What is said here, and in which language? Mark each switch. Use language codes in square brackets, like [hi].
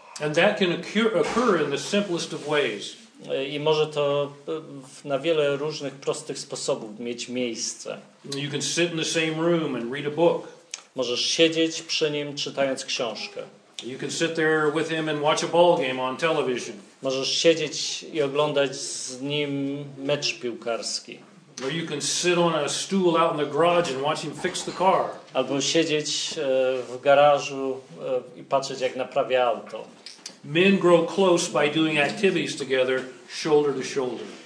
[en] And that can occur in the simplest of ways. [pl] I może to na wiele różnych prostych sposobów mieć miejsce. [en] You can sit in the same room and read a book. [pl] Możesz siedzieć przy nim czytając książkę. [en] You can sit there with him and watch a ball game on television. [pl] Możesz siedzieć i oglądać z nim mecz piłkarski. [en] Or you can sit on a stool out in the garage and watch him fix the car. [pl] Albo siedzieć w garażu i patrzeć, jak naprawia auto. [en] Men grow close by doing activities together, shoulder to shoulder.